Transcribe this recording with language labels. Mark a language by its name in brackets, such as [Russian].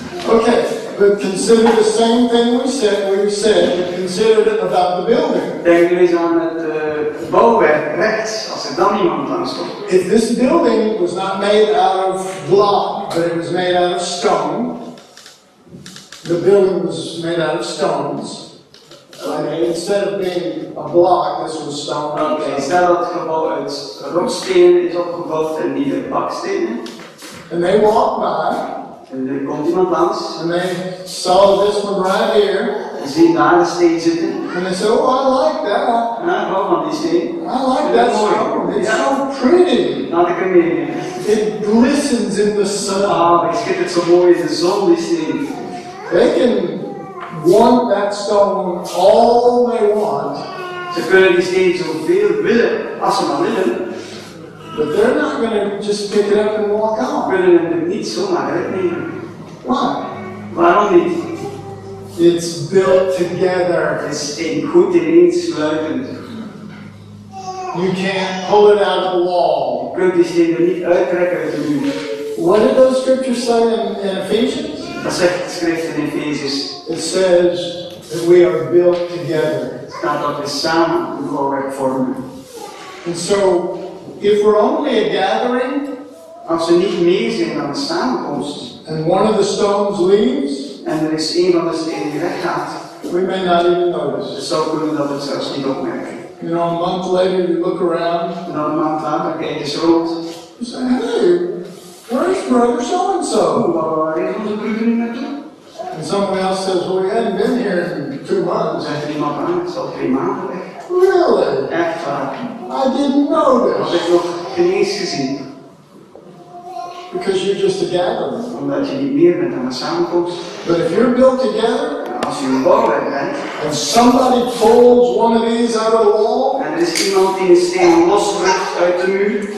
[English] Okay, but consider the same thing we've said. Consider it about the building. [Dutch] Denk eens aan het bouwwerk rechts, als er dan iemand langs komt. [English] If this building was not made out of block, but it was made out of stone. The building was made out of stones. Okay. Instead of being a block, this was stone. [Dutch] Okay, stel dat gebouw uit rotsstenen is opgebouwd en niet uit bakstenen. [English] And they walked by. [Dutch] En er komt iemand langs. [English] And they saw this one right here. [Dutch] En zien daar de steen zitten. [English] And they said, oh, I like that. [Dutch] Ja, ik hou van die steen. [English] I like that stone. It's so pretty. Not a comedian. It glistens in the sun. [Dutch] Ah, ik vind het zo mooi, de zon die steen. [English] They can want that stone all they want. [Dutch] Ze kunnen die steen zoveel willen, als ze maar willen. [English] But they're not going to just pick it up and walk out. [Dutch] Willen hem er niet zomaar uitnemen. [English] Why? [Dutch] Waarom niet? [English] It's built together. [Dutch] Het is goed ineensluitend. [English] You can't pull it out of the wall. [Dutch] Je kunt die steen er niet uittrekken uit de muur. [English] What did those scriptures say in Ephesians? [Dutch] Dat zegt het schrift in Ephesians. [English] It says that we are built together. [Dutch] Staat dat we samen gebouwd vormen. [English] And so, if we're only a gathering, [Dutch] als we niet meer zijn dan een samenkomst, [English] and one of the stones leaves, [Dutch] en er is een van de stenen die weggaat, [English] we may not even notice. [Dutch] Dus zou kunnen dat we het zelfs niet opmerken. [English] You know, a month later you look around, [Dutch] en dan een maand later kijk je zo rond, [English] you say, hey. Where is brother so and so? And someone else says, well, we hadn't been here in 2 months. [Dutch] Zegt iemand anders, al 3 maanden. [English] Really? [Dutch] Echt [English] I didn't know this. [Dutch] Had ik nog geen eens gezien. [English] Because you're just a gatherer. [Dutch] Omdat je niet meer bent dan een samenkomst. [English] But if you're built together. [Dutch] Als je een bouwwerk bent. [English] And somebody pulls one of these out of the wall. [Dutch] En er is iemand die een steen losrukt uit de muur.